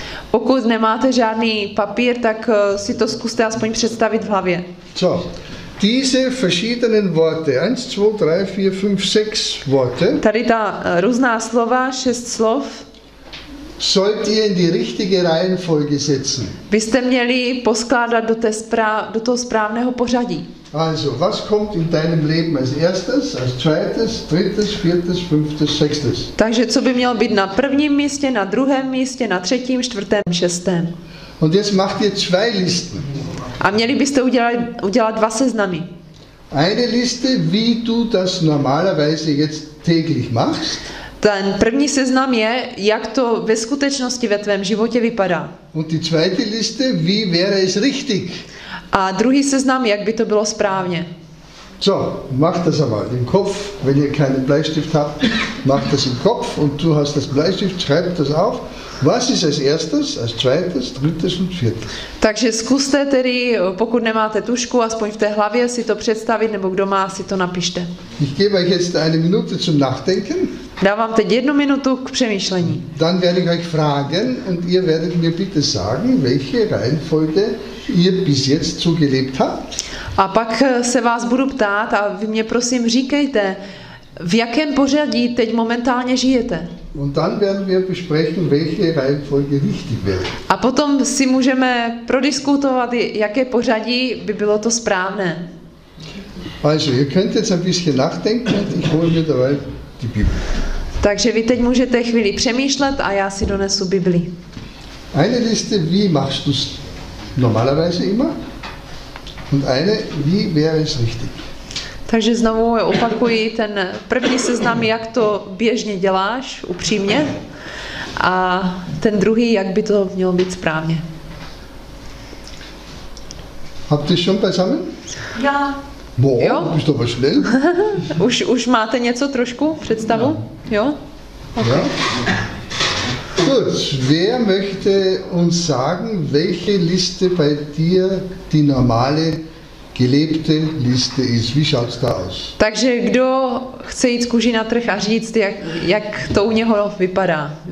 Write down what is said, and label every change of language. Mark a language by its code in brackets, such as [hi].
[cs] Pokud nemáte žádný papír, tak si to zkuste aspoň představit v hlavě. Co? [de] Diese verschiedenen Worte, 1, 2, 3, 4, 5, 6 Worte. [cs] Tady ta různá slova, 6 slov. [de] Sollt ihr in die richtige Reihenfolge setzen. [cs] Byste měli poskládat do toho správného pořadí. [de] Also, was kommt in deinem Leben als erstes, als zweites, drittes, viertes, fünftes, sechstes? [cs] Takže co by mělo být na prvním místě, na druhém místě, na třetím, čtvrtém, šestém? [de] Und jetzt macht ihr zwei Listen. [cs] A měli byste udělat dva seznamy. [de] Eine Liste, wie du das normalerweise jetzt täglich machst. [cs] Ten první seznam je, jak to ve skutečnosti ve tvém životě vypadá. [de] Und die zweite Liste, wie wäre es richtig? [cs] A druhý seznam, jak by to bylo správně. [de] So, mach das einmal im Kopf, wenn ihr keinen Bleistift habt, mach das im Kopf und du hast das Bleistift, schreib das auf. Was ist als erstes, als zweites, drittes und viertes? [cs] Takže zkuste tedy, pokud nemáte tušku, aspoň v té hlavě si to představit, nebo kdo má, si to napište. [de] Ich gebe euch jetzt eine Minute zum Nachdenken. [cs] Dávám teď jednu minutu k přemýšlení. [de] Dann werde ich euch fragen und ihr werdet mir bitte sagen, welche Reihenfolge ihr bis jetzt so gelebt habt. [cs] A pak se vás budu ptát a vy mě prosím říkejte, v jakém pořadí teď momentálně žijete. [de] Und dann werden wir besprechen, welche Reihenfolge richtig wäre. [cs] A potom si můžeme prodiskutovat, jaké pořadí by bylo to správné. [de] Also, ihr könnt jetzt ein bisschen nachdenken und ich hole mir dabei die Bibel. [cs] Takže vy teď můžete chvíli přemýšlet a já si donesu Bibli. [de] Eine Liste, wie machst du es normalerweise immer? Und eine, wie wäre es richtig? [cs] Takže znovu opakuji ten první seznam, jak to běžně děláš, upřímně, a ten druhý, jak by to mělo být správně. [de] Habt ihr schon beisammen? Ja. Boah, jo? Bist du aber schnell. [cs] Už máte něco trošku, představu? [de] Ja. Jo? Okay. Ja. Gut, wer möchte uns sagen, welche Liste bei dir die normale gelebte Liste ist. Wie schaut's da aus? [cs] Takže kdo chce jít z kůži na trh a říct, jak to u něho vypadá?